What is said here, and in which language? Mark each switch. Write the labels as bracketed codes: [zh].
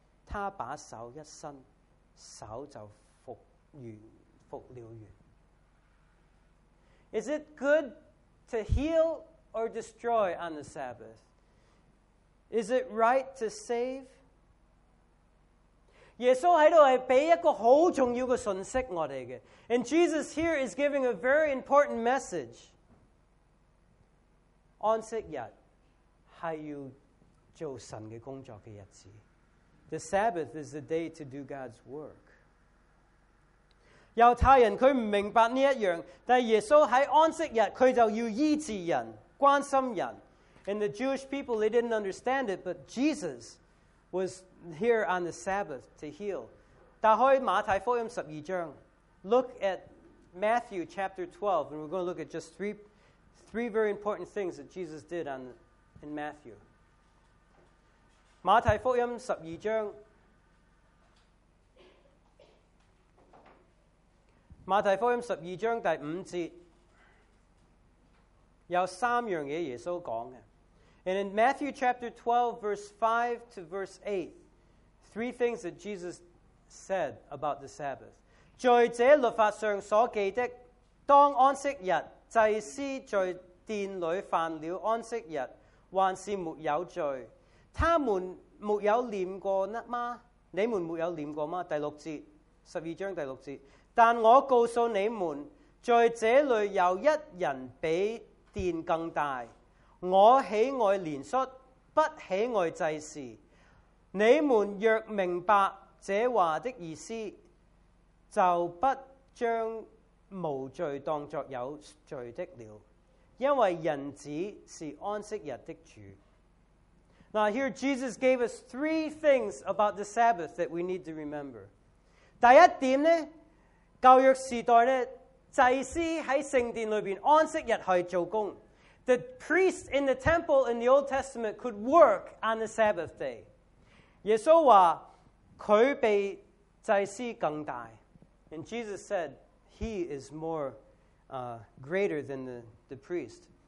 [zh] 他把手一伸，手就复了原。 [en] Is it good to heal or destroy on the Sabbath? Is it right to save [zh] 耶稣在这里给一个很重要的信息我们的。 [en] And Jesus here is giving a very important message. [zh] 安息日是要做神的工作的日子。 [en] The Sabbath is the day to do God's work. [zh] 犹太人他不明白这一样，但耶稣在安息日他就要医治人，关心人。 [en] And the Jewish people, they didn't understand it, but Jesus was here on the Sabbath to heal. [zh] 打开马太福音十二章， [en] look at Matthew chapter 12, and we're going to look at just three very important things that Jesus did in Matthew. [zh] 马太福音十二章，马太福音十二章第五节，有三样嘢耶稣讲嘅。 [en] And in Matthew chapter 12, verse 5 to verse 8, three things that Jesus said about the Sabbath. [zh] 在这律法上所记的，当安息日，祭司在殿里犯了安息日，还是没有罪。他们没有念过吗？你们没有念过吗？第六节，十二章第六节。但我告诉你们，在这里有一人比殿更大。我喜爱怜恤，不喜爱祭祀。你们若明白这话的意思，就不将无罪当作有罪的了，因为人子是安息日的主。 [en] Now here Jesus gave us three things about the Sabbath that we need to remember. [zh] 第一点呢，旧约时代呢，祭司在圣殿里面安息日去做工。 [en] The priests in the temple in the Old Testament could work on the Sabbath day. [zh] 耶稣说他比祭司更大。 [en] And Jesus said he is more greater than the priest.